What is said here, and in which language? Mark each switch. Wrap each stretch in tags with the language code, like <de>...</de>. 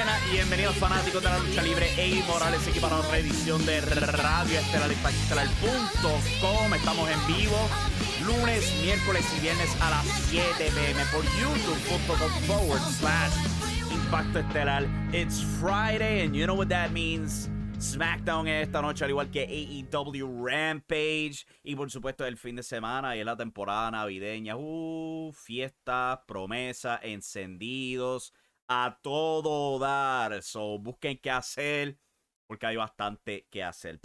<es>Bienvenidos fanáticos de la lucha libre, Eddie Morales, aquí para otra edición de Radio Estelar, Estelar.com. Estamos en vivo lunes, miércoles y viernes a las 7 p.m. por youtube.com/Impacto Estelar.</es> <en>It's Friday and you know what that means.</en> <es>SmackDown es esta noche, al igual que AEW Rampage. Y por supuesto, el fin de semana y la temporada navideña. Fiestas, promesas, encendidos. A todo dar, so busquen qué hacer, porque hay bastante que hacer.</es>